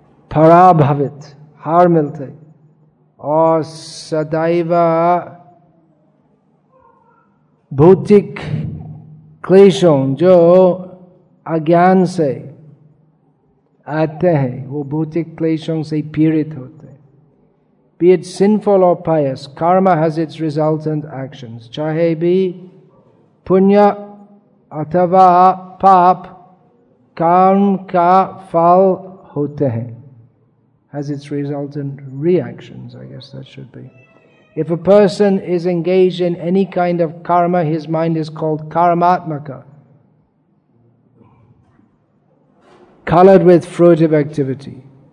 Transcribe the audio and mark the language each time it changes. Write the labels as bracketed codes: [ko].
[hi] parabhavit, haar milte, aur sadaiva भौतिक क्लेशों जो अज्ञान से आते हैं वो भौतिक क्लेशों से पीड़ित होते हैं। [en] Be it sinful or pious, karma has its resultant actions. [hi] चाहे भी पुण्य अथवा पाप, कर्म का फल होते हैं। [en] Has its resultant reactions, I guess that should be. If a person is engaged in any kind of karma, his mind is called karmatmaka, colored with fruitive activity.